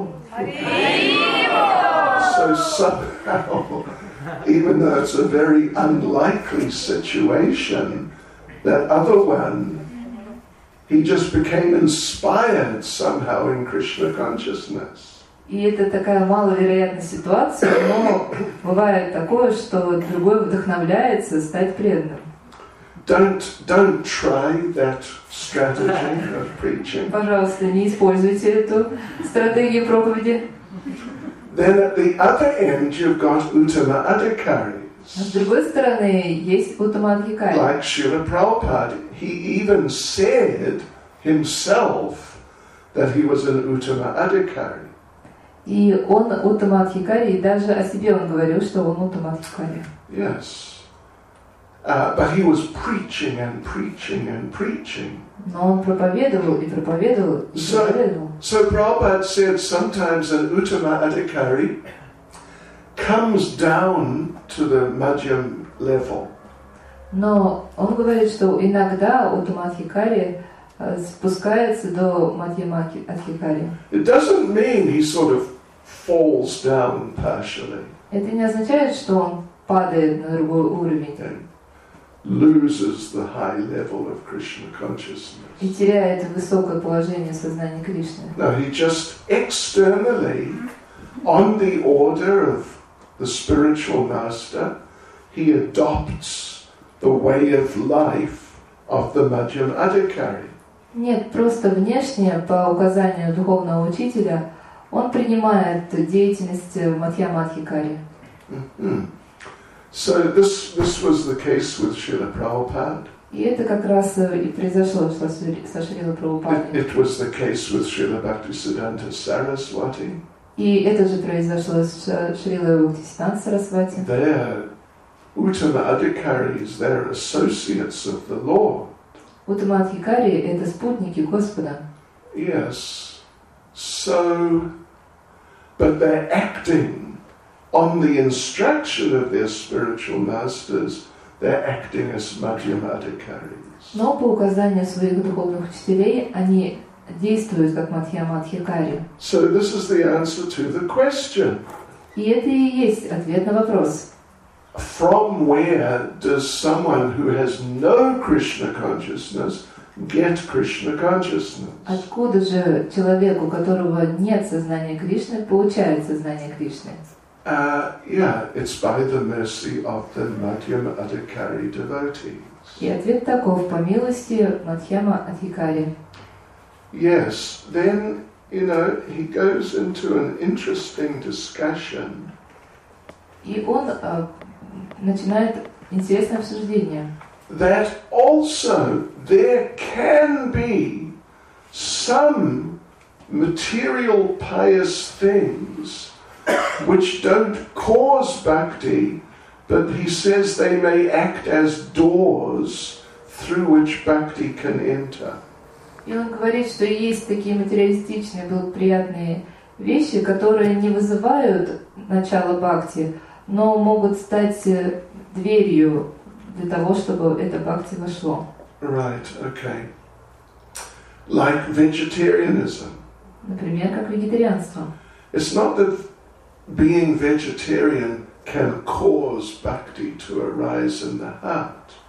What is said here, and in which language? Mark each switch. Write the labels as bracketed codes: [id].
[en] So somehow, even though it's a very unlikely situation, that other one, he just became inspired somehow in Krishna consciousness. [ru] И это такая маловероятная ситуация, но бывает такое, что другой вдохновляется стать преданным. [en] Don't try that strategy of preaching. [ru] Пожалуйста, не используйте эту стратегию проповеди. [en] Then at the other end you've got Uttama Adhikaris. [ru] С другой стороны есть Uttama Adhikari. [en] Like Srila Prabhupada, he even said himself that he was an Uttama Adhikari. [ru] И он Uttama Adhikari, и даже о себе он говорил, что он Uttama Adhikari. [en] Yes. But he was preaching and preaching and preaching. [ru] Но он проповедовал и проповедовал и проповедовал. [en] So Prabhupada said sometimes an Uttama Adhikari comes down to the Madhyam level. [ru] Но он говорит, что иногда Uttama Adhikari спускается до Madhyama Adhikari. [en] It doesn't mean he sort of falls down partially. [ru] Это не означает, что он падает на другой уровень. [en] Loses the high level of Krishna consciousness. [ru] И теряет высокое положение сознания Кришны. [en] No, he just externally, on the order of the spiritual master, he adopts the way of life of the Madhyam Adhikari. [ru] Нет, просто внешне, по указанию духовного учителя, он принимает деятельность Мадхьяма Адхикари. [en] So this was the case with Srila Prabhupada. [ru] И это как раз и произошло со Шрилой Прабхупадой. [en] It was the case with Srila Bhaktisiddhanta Saraswati. [ru] И это же произошло с Шрилой Бхактисиддханта Сарасвати. [en] They're Uttama Adhikaris, they're associates of the Lord. [ru] Uttama Adhikari – это спутники Господа. [en] Yes. So, but they're acting on the instruction of their spiritual masters, they're acting as Madhyam Adhikaris. [ru] Но по указанию своих духовных учителей они действует как Мадхьяма Адхикари. [en] So this is the answer to the question. [ru] И это и есть ответ на вопрос. [en] From where does someone who has no Krishna consciousness get Krishna consciousness? [ru] Откуда же человек, у которого нет сознания Кришны, получает сознание Кришны? [en] Yeah, it's by the mercy of the Madhyama Adhikari devotees. [ru] И ответ таков, по милости Мадхьяма Адхикари. [en] Yes, then, you know, he goes into an interesting discussion. [ru] И он начинает интересное обсуждение. [en] That also there can be some material pious things which don't cause bhakti, but he says they may act as doors through which bhakti can enter. [ru] И он говорит, что есть такие материалистичные, благоприятные вещи, которые не вызывают начало бхакти, но могут стать дверью для того, чтобы это бхакти вошло. [en] Right, okay. Like vegetarianism. [ru] Например, как вегетарианство. [en] It's not that being vegetarian can cause bhakti to arise in the heart.